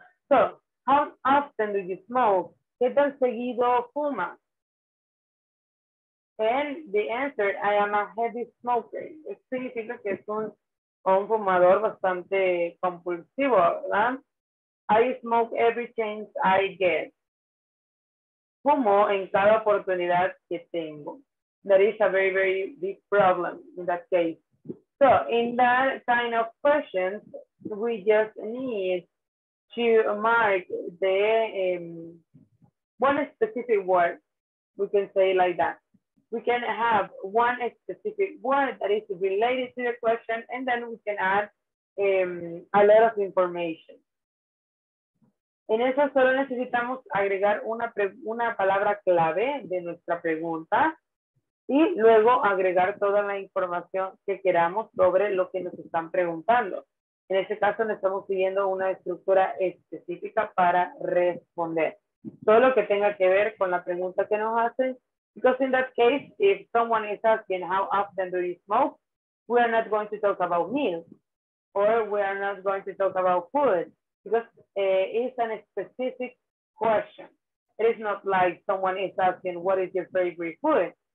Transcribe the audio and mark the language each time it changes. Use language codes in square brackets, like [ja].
[en] So, how often do you smoke? [es] ¿Qué tan seguido fuma? [en] And the answer, I am a heavy smoker. [es] It significa que es un fumador bastante compulsivo, ¿verdad? [en] I smoke every chance I get. [es] Fumo en cada oportunidad que tengo. [en] That is a very, very big problem in that case. So in that kind of questions, we just need to mark the one specific word. We can say like that. We can have one specific word that is related to the question, and then we can add a lot of information. [es] En eso solo necesitamos agregar una palabra clave de nuestra pregunta y luego agregar toda la información que queramos sobre lo que nos están preguntando. En este caso, no estamos siguiendo una estructura específica para responder. Todo lo que tenga que ver con la pregunta que nos hacen. [en] Because in that case, if someone is asking how often do you smoke, we are not going to talk about meals or we are not going to talk about food. Because it's a specific question. It is not like someone is asking, what is your favorite food?